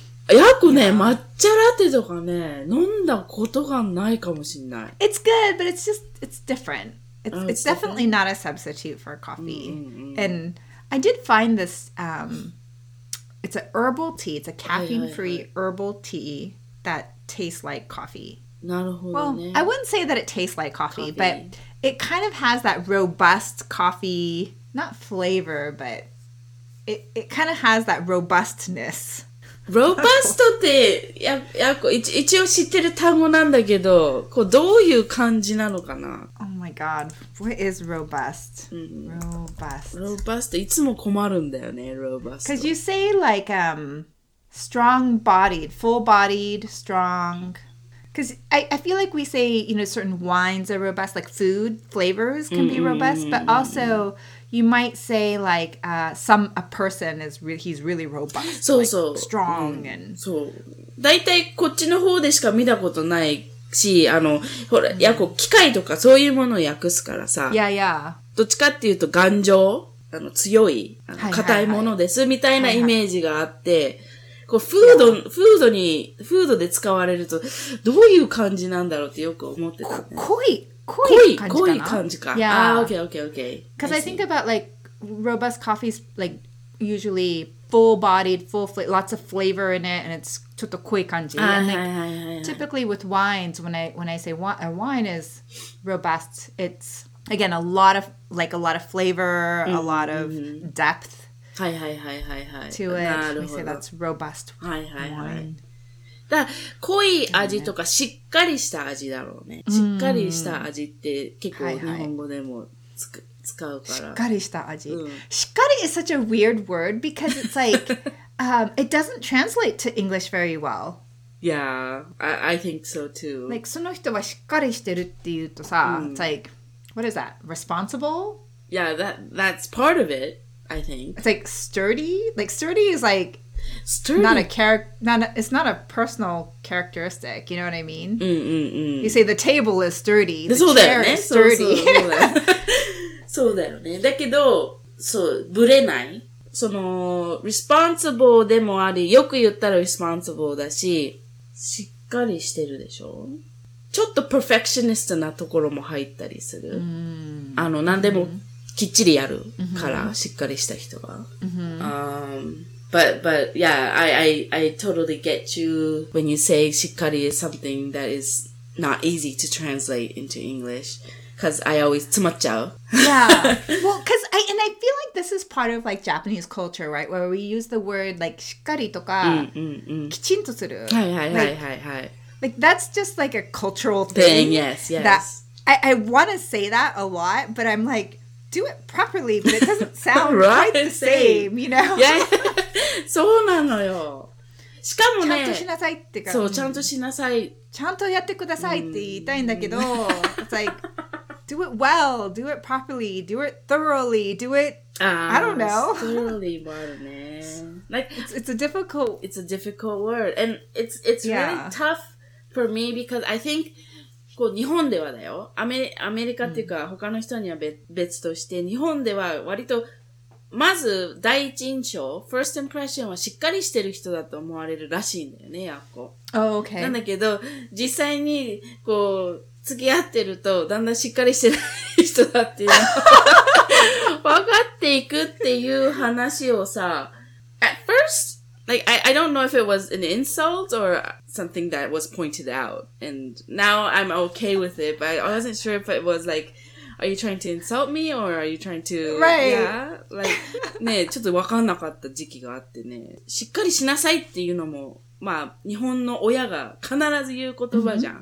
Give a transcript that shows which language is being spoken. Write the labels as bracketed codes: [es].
[ja] やこね、抹茶ラテとかね、飲んだことがないかもしれない。 [en] It's good, but it's just, it's different. It's definitely not a substitute for coffee. And I did find this, it's an herbal tea. It's a caffeine-free herbal tea that tastes like coffee. [ja] なるほどね。 [en] Well, I wouldn't say that it tastes like coffee, but it kind of has that robust coffee, not flavor, but it kind of has that robustness. [ja] ロバストって、一応知ってる単語なんだけど、こうどういう感じなのかな。 [en] Oh my god, what is robust? Robust. [ja] Robust, いつも困るんだよね、robust. [en] Because you say like, strong-bodied, full-bodied, strong. Because I feel like we say, you know, certain wines are robust, like food flavors can be robust, but also... You might say like a person is he's really robust, [ja] そうそう、 [en] like、strong and [ja] そう。だいたいこっちの方でしか見たことないし、ほら、やこ機械とかそういうものを訳すからさ。 [en] Yeah, yeah. [ja] どっちかっていうと頑丈、強い、硬いものですみたいなイメージがあって、こうフードで使われるとどういう感じなんだろうってよく思ってた、ね。濃い感じか。 [en] Yeah. Ah, okay. Because I think about like robust coffees, like usually full-bodied, lots of flavor in it, and it's [ja] ちょっと濃い感じ. [en] Typically with wines, when I say a wine is robust, it's again a lot of flavor, a lot of depth. To it, we say that's robust wine. [ja] だ濃い味とかしっかりした味だろうね。しっかりした味って結構日本語でも使うから。しっかりした味。 [en] しっかり is such a weird word because it's like, it doesn't translate to English very well. Yeah, I think so too. Like, [ja] その人はしっかりしてるっていうとさ、 [en] it's like, what is that? Responsible? Yeah, that's part of it, I think. It's like sturdy. Like, sturdy is like, Sturdy. It's not a personal characteristic, you know what I mean? Mm-mm-mm. You say the table is sturdy, the chair is sturdy. [ja] そうだよね。だけど、そう、ぶれない。その、responsible でもあり、よく言ったら responsible だし、しっかりしてるでしょ？ちょっと perfectionist なところも入ったりする。 Mm-hmm. 何でもきっちりやるから、mm-hmm. しっかりした人は。 Mm-hmm. [en] But yeah, I totally get you when you say shikkari is something that is not easy to translate into English. Because I always [ja] tsumachau. [en] Yeah. Well, because I feel like this is part of like Japanese culture, right? Where we use the word like shikkari とか [ja] kichinto suru. はいはいはいはい。 [en] Like that's just like a cultural thing. Yes, yes. That I want to say that a lot, but I'm like, do it properly, but it doesn't sound right, quite the same, you know? [ja] Yeah, そうなのよ。しかもね、ちゃんとしなさいってか、そう、ちゃんとしなさい。ちゃんとやってくださいって言いたいんだけど、 [en] it's like, do it well, do it properly, do it thoroughly, do it, I don't know. [ja] thoroughly もあるね。 [en] Like, it's a difficult word, and it's really tough for me because I think, [ja] こう日本ではだよ。アメリカっていうか他の人には別として、日本では割と、まず第一印象、 [en] first impression [ja] はしっかりしてる人だと思われるらしいんだよね、やっこ。 [en] Oh, okay. [ja] なんだけど、実際に、こう、付き合ってると、だんだんしっかりしてない人だっていうのを、わかっていくっていう話をさ、 [en] at first,Like, I don't know if it was an insult or something that was pointed out. And now I'm okay with it, but I wasn't sure if it was like, are you trying to insult me or are you trying to... Right. Yeah. [ja] Like, ねえ、ちょっとわかんなかった時期があってね。しっかりしなさいっていうのも、まあ、日本の親が必ず言う言葉じゃん。